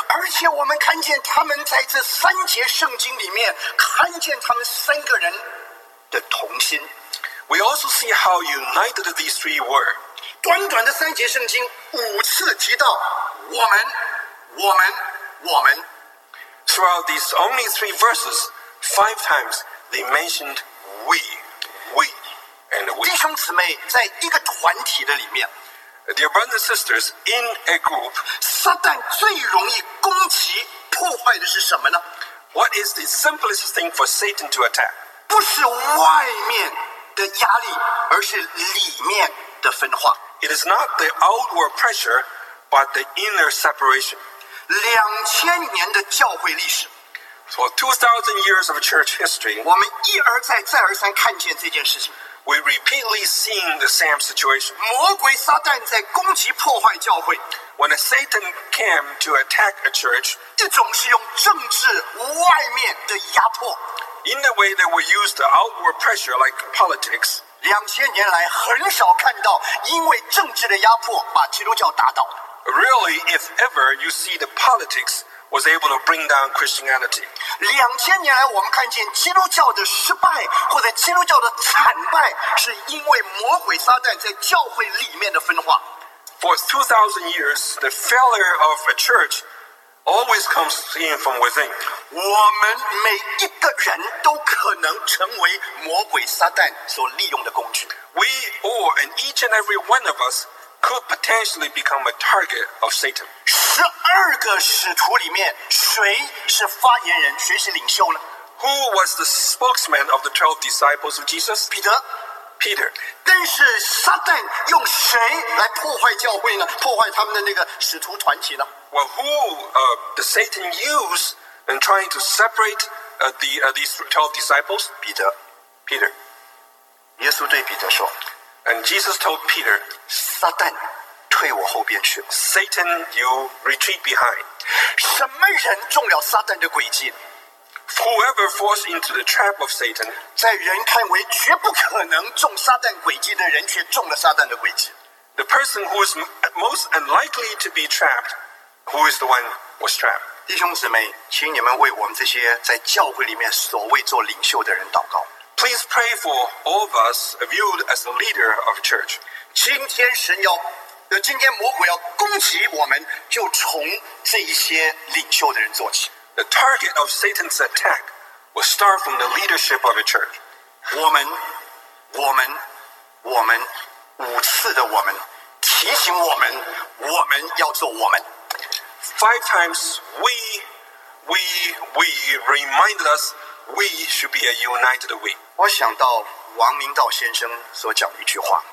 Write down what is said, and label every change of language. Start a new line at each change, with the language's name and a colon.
Chinese: 而且我们看见他们在这三节圣经里面看见他们三个人的同心。
English: We also see how united these three were.
Chinese: 短短的三节圣经五次提到我们，我们，我们。
English: Throughout these only three verses, five times they mentioned we, we, and we.
Chinese: 弟兄姊妹，在一个团体的里面。
English: Dear brothers and sisters, in a group,
Chinese: Satan 最容易攻击破坏的是什么呢？
English: What is the simplest thing for Satan to attack?
Chinese: 不是外面的压力，而是里面的分化。
English: It is not the outward pressure, but the inner separation.
Chinese: 2000年的教会历史。
English: For 2000 years of church history,
Chinese: 我们一而再，再而三看见这件事情。
English: We repeatedly seeing the same situation.
Chinese: 魔鬼撒旦在攻击破坏教会。
English: When Satan came to attack a church,
Chinese: 一种是用政治外面的压迫。
English: In the way they would use the outward pressure like politics.
Chinese: 两千年来很少看到因为政治的压迫把基督教打倒。
English: Really, if ever you see the politics was able to bring down Christianity.
Chinese: 两千年来我们看见基督教的失败或者基督教的惨败是因为魔鬼撒旦在教会里面的分化。
English: For 2000 years, the failure of a church always comes in from within.
Chinese: 我们每一个人都可能成为魔鬼撒旦所利用的工具。
English: We all and each and every one of us could potentially become a target of Satan.
Chinese: 十二个使徒里面，谁是发言人，谁是领袖呢？
English: Who was the spokesman of the 12 disciples of Jesus? Peter.
Chinese: 但是撒旦用谁来破坏教会呢？破坏他们的那个使徒团体呢？
English: Well, who did Satan use in trying to separate these 12 disciples?
Chinese: Peter. 耶稣对彼得说。
English: And Jesus told Peter,
Chinese: "Satan, 退我后边去。
English: Satan, you retreat behind."
Chinese: 什么人中了撒旦的诡计？
English: Whoever falls into the trap of Satan,
Chinese: 在人看为绝不可能中撒旦诡计的人，却中了撒旦的诡计。
English: The person who is most unlikely to be trapped, who is the one was trapped?
Chinese: 弟兄姊妹，请你们为我们这些在教会里面所谓做领袖的人祷告。
English: Please pray for all of us viewed as the leader of church.
Chinese: 今天神要，今天魔鬼要攻击我们，就从这一些领袖的人做起。
English: The target of Satan's attack will start from the leadership of a church.
Chinese: 我们，我们，我们，五次的我们，提醒我们，我们要做我们。
English: Five times we reminded us We should be a united we.
Chinese: 我想到王明道先生所讲的一句话。